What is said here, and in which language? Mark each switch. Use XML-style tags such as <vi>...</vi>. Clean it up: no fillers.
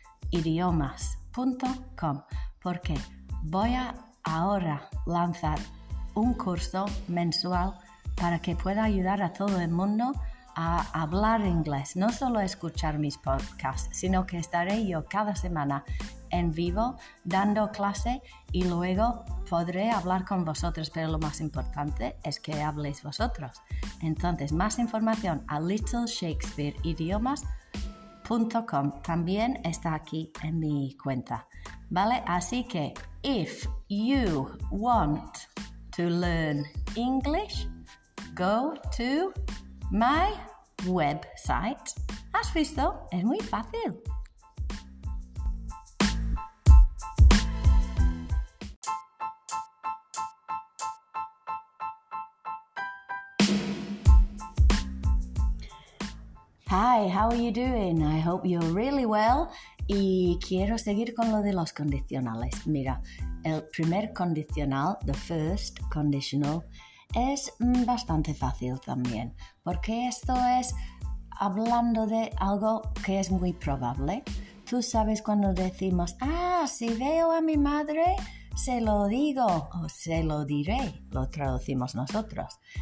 <es>idiomas.com, porque voy a ahora lanzar un curso mensual para que pueda ayudar a todo el mundo a hablar inglés, no solo escuchar mis podcasts, sino que estaré yo cada semana en vivo dando clase y luego podré hablar con vosotros, pero lo más importante es que habléis vosotros. Entonces, más información a littleshakespeareidiomas.com. También está aquí en mi cuenta. ¿Vale? Así que,</es> <en>if you want to learn English, go to my website.</en> <es>¿Has visto? Es muy fácil.</es> <en>Hi, how are you doing? I hope you're really well.</en> <es>Y quiero seguir con lo de los condicionales. Mira, el primer condicional,</es> <en>the first conditional,</en> <es>es bastante fácil también, porque esto es hablando de algo que es muy probable. Tú sabes cuando decimos, ah, si veo a mi madre, se lo digo o se lo diré, lo traducimos nosotros.</es>